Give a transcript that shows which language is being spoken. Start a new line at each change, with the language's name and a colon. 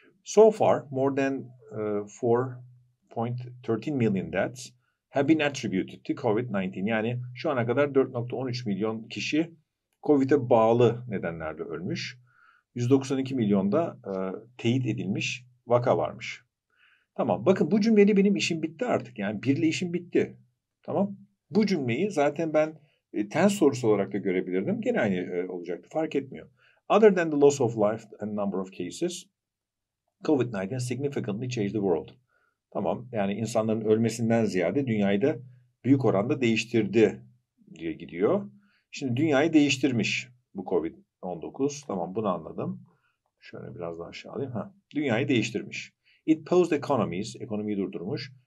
English: So far more than 4.13 million deaths have been attributed to COVID-19.
Turkish: Yani şu ana kadar 4.13 milyon kişi Covid'e bağlı nedenlerle ölmüş. 192 milyon da teyit edilmiş vaka varmış. Tamam. Bakın bu cümleyle benim işim bitti artık. Yani birle işim bitti. Tamam. Bu cümleyi zaten ben tense sorusu olarak da görebilirdim. Gene aynı olacaktı. Fark etmiyor.
English: Other than the loss of life and number of cases, COVID-19 significantly changed the world.
Turkish: Tamam. Yani insanların ölmesinden ziyade dünyayı da büyük oranda değiştirdi diye gidiyor. Şimdi dünyayı değiştirmiş bu COVID-19. Tamam bunu anladım. Şöyle biraz daha aşağı alayım. Ha, dünyayı değiştirmiş.
English: It paused economies,
Turkish: ekonomiyi durdurmuş.